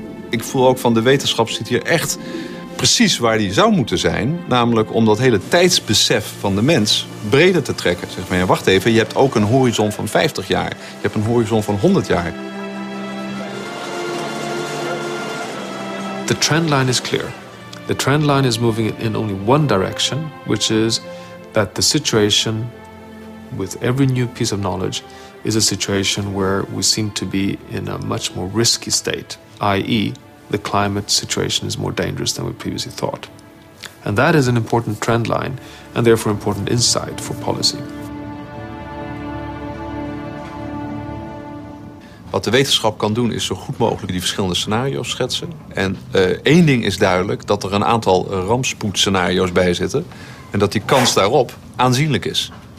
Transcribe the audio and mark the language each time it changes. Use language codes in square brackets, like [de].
[nl] Ik voel ook van de wetenschap zit hier echt precies waar die zou moeten zijn. Namelijk om dat hele tijdsbesef van de mens breder te trekken. Zeg maar, ja, wacht even, je hebt ook een horizon van 50 jaar. Je hebt een horizon van 100 jaar. [en] The trend line is clear. The trend line is moving in only one direction, which is that the situation with every new piece of knowledge is a situation where we seem to be in a much more risky state, i.e. the climate situation is more dangerous than we previously thought. And that is an important trend line and therefore important insight for policy. [nl] Wat de wetenschap kan doen is zo goed mogelijk die verschillende scenario's schetsen. En één ding is duidelijk, dat er een aantal rampspoedscenario's bij zitten. En dat die kans daarop aanzienlijk is.